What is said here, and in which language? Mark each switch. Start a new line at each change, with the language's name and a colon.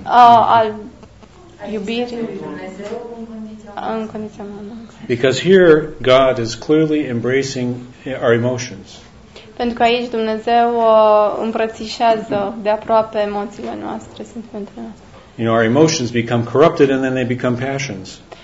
Romanian: Al iubirii în condiția umană.
English: Because here God is clearly embracing our emotions.
Romanian: Pentru că aici Dumnezeu îmbrățișează de aproape emoțiile noastre, sentimentele noastre.
English: You know, our emotions become corrupted and then they become passions.